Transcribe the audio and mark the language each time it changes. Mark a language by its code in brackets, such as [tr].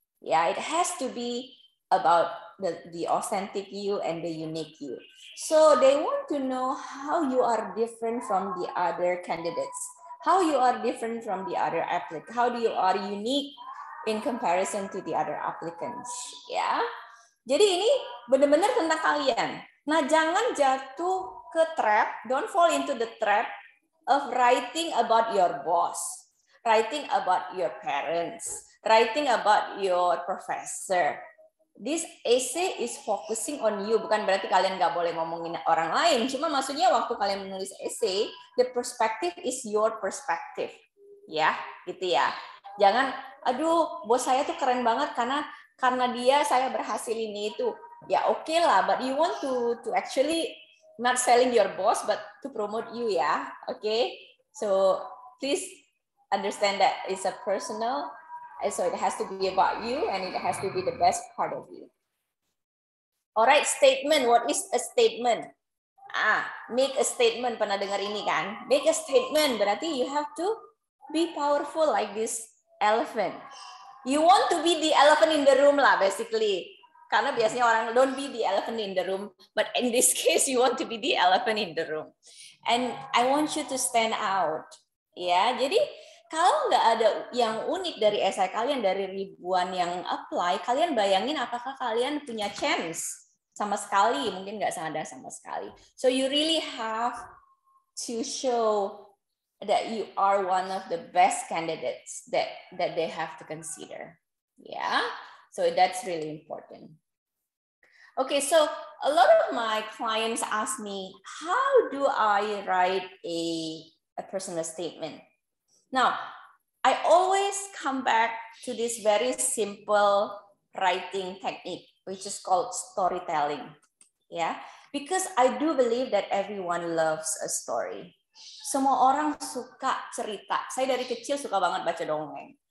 [en] Yeah, it has to be about the authentic you and the unique you. So they want to know how you are different from the other candidates. How you are different from the other applicant. How do you are unique in comparison to the other applicants. Yeah. [id] Jadi ini benar-benar tentang kalian. [en] Nah, jangan jatuh ke trap, don't fall into the trap of writing about your boss, writing about your parents, writing about your professor. [id] This essay is focusing on you. Bukan berarti kalian nggak boleh ngomongin orang lain. Cuma maksudnya waktu kalian menulis essay, the perspective is your perspective. Ya, gitu ya. Jangan, aduh, bos saya tuh keren banget karena dia saya berhasil ini itu. [en] Ya oke lah, but you want to actually not selling your boss, but to promote you ya. Oke, so please understand that it's a personal. And so it has to be about you and it has to be the best part of you. Alright, statement. What is a statement? Make a statement. [id] Pernah dengar ini kan? Make a statement. [en] Berarti you have to be powerful like this elephant. You want to be the elephant in the room lah, basically. Karena biasanya orang don't be the elephant in the room. But in this case, you want to be the elephant in the room. And I want you to stand out. [id] Yeah, jadi kalau nggak ada yang unik dari essay kalian dari ribuan yang apply, kalian bayangin apakah kalian punya chance sama sekali? Mungkin nggak ada sama sekali. [en] So you really have to show that you are one of the best candidates that they have to consider. Yeah, so that's really important. Okay, so a lot of my clients ask me, how do I write a personal statement? Now, I always come back to this very simple writing technique, which is called storytelling. Yeah, because I do believe that everyone loves a story. [id] Semua orang suka cerita. Saya dari kecil suka banget baca dongeng.